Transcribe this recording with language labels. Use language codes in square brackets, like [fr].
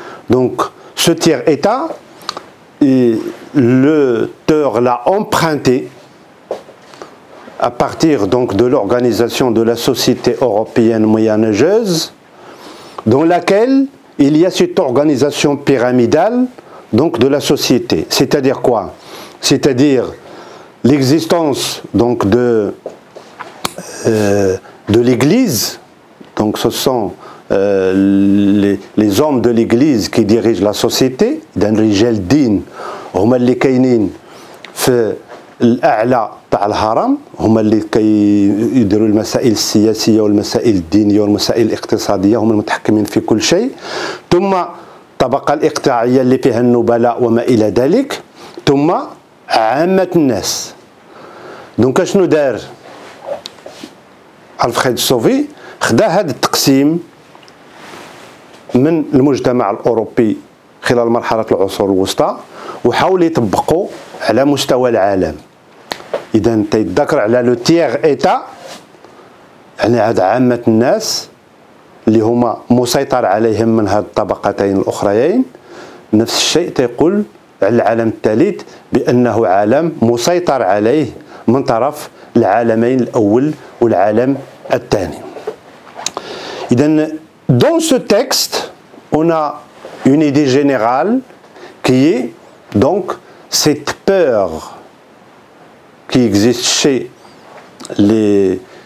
[fr] Donc ce tiers état, l'auteur l'a emprunté à partir donc de l'organisation de la société européenne moyenâgeuse, dans laquelle il y a cette organisation pyramidale donc de la société. C'est-à-dire quoi? C'est-à-dire l'existence donc de l'Église. Donc ce sont les hommes de l'Église qui dirigent la société. Dans le rijal din, [ar] هما اللي كاينين في الأعلى تاع الهرم, هما اللي كيديروا المسائل السياسية والمسائل الدينية والمسائل الاقتصادية, هما المتحكمين في كل شيء. ثم الطبقة الإقطاعية اللي فيها النبلاء وما إلى ذلك, ثم عامة الناس. دونك شنو دار ألفريد سوفي؟ خدا هذا التقسيم من المجتمع الأوروبي خلال مرحلة العصور الوسطى وحاول يطبقوا على مستوى العالم. إذا أنت تذكر على لو تيغ إيتا, يعني هاد عامة الناس اللي هما مسيطر عليهم من هاد الطبقتين الأخريين. نفس الشيء تيقول على العالم الثالث بأنه عالم مسيطر عليه من طرف العالمين الأول والعالم الثاني. [fr] إذا دون سو تكست أون une idée générale qui est donc cette peur qui existe chez les